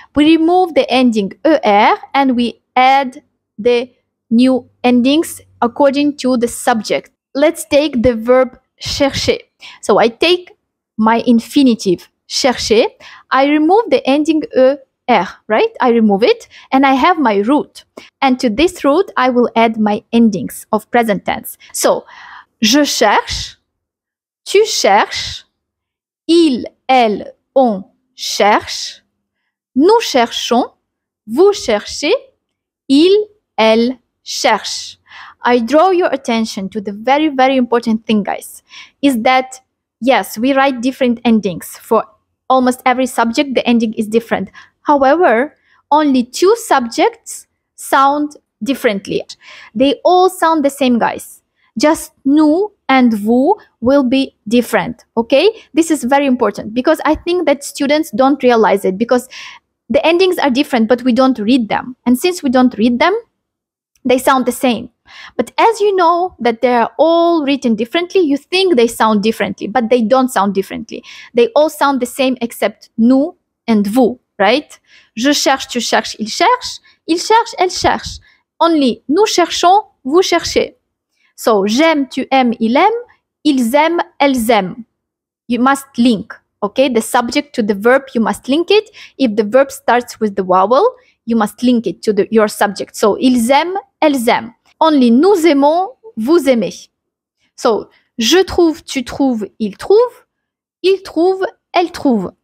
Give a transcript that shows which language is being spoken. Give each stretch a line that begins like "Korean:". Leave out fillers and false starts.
English: We remove the ending er and we add the new endings according to the subject. Let's take the verb chercher. So I take my infinitive chercher. I remove the ending er, right? I remove it and I have my root. And to this root, I will add my endings of present tense.
French: So, je cherche, tu cherches, ils, elles, on cherche, nous cherchons, vous cherchez, ils, elles cherchent.
English: I draw your attention to the very, very important thing, guys, is that, yes, we write different endings. For almost every subject, the ending is different. However, only two subjects sound differently. They all sound the same, guys. Just nous and vous will be different, okay? This is very important because I think that students don't realize it because the endings are different, but we don't read them. And since we don't read them, they sound the same. But as you know that they are all written differently, you think they sound differently, but they don't sound differently. They all sound the same except nous and vous, right?
French: Je cherche, tu cherches, il cherche, elle cherche. Only nous cherchons, vous cherchez. So j'aime, tu aimes, il aime, ils aiment, elles aiment.
English: You must link, okay? The subject to the verb, you must link it. If the verb starts with the vowel, you must link it to your subject.
French: So ils aiment, elles aiment. Only nous aimons, vous aimez. So, je trouve, tu trouves, il trouve, elle trouve.